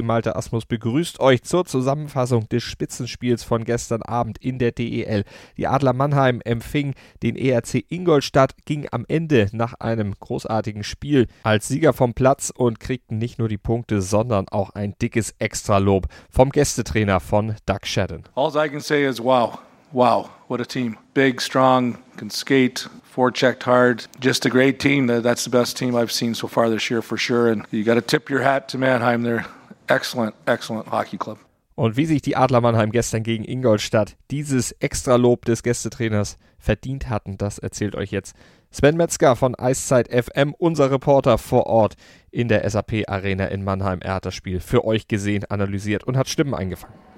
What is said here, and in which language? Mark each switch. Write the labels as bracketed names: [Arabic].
[German] Malte Asmus begrüßt euch zur Zusammenfassung des Spitzenspiels von gestern Abend in der DEL. Die Adler Mannheim empfing den ERC Ingolstadt, ging am Ende nach einem großartigen Spiel als Sieger vom Platz und kriegten nicht nur die Punkte, sondern auch ein dickes Extralob vom Gästetrainer von Doug Shedden. [English] All I can say is wow, wow, what a team. Big, strong, can skate. Forechecked hard, just a great team. That's the best team I've seen so far this year for sure. And you got to tip your hat to Mannheim. They're excellent, excellent hockey club. [German] Und wie sich die Adler Mannheim gestern gegen Ingolstadt dieses Extralob des Gästetrainers verdient hatten, das erzählt euch jetzt Sven Metzger von Eiszeit FM, unser Reporter vor Ort in der SAP Arena in Mannheim. Er hat das Spiel für euch gesehen, analysiert und hat Stimmen eingefangen.